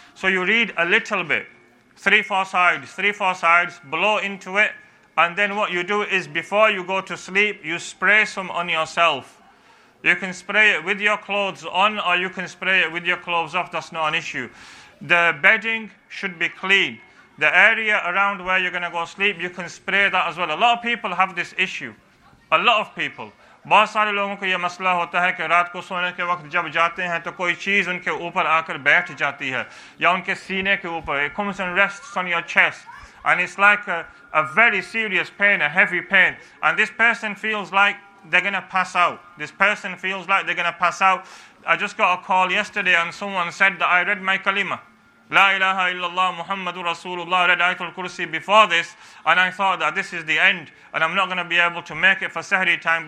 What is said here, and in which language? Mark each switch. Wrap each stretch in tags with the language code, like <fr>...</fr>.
<en>So you read a little bit, three, four sides, blow into it, and then what you do is, before you go to sleep, you spray some on yourself. You can spray it with your clothes on, or you can spray it with your clothes off, that's not an issue. The bedding should be clean. The area around where you're going to go sleep, you can spray that as well. A lot of people have this issue. A lot of people.</en> <hi>बहुत सारे लोगों को ये मसला होता है कि रात को सोने के वक्त जब जाते हैं तो कोई चीज उनके ऊपर आकर बैठ जाती है या उनके सीने के ऊपर.</hi> <en>It comes and rests on your chest. And it's like a very serious pain, a heavy pain. And this person feels like they're going to pass out. I just got a call yesterday and someone said that I read my kalima.</en> <ar>La ilaha illallah Muhammadur Rasulullah,</ar> <en>read Ayatul Kursi before this, and I thought that this is the end and I'm not going to be able to make it for Sahri time.</en>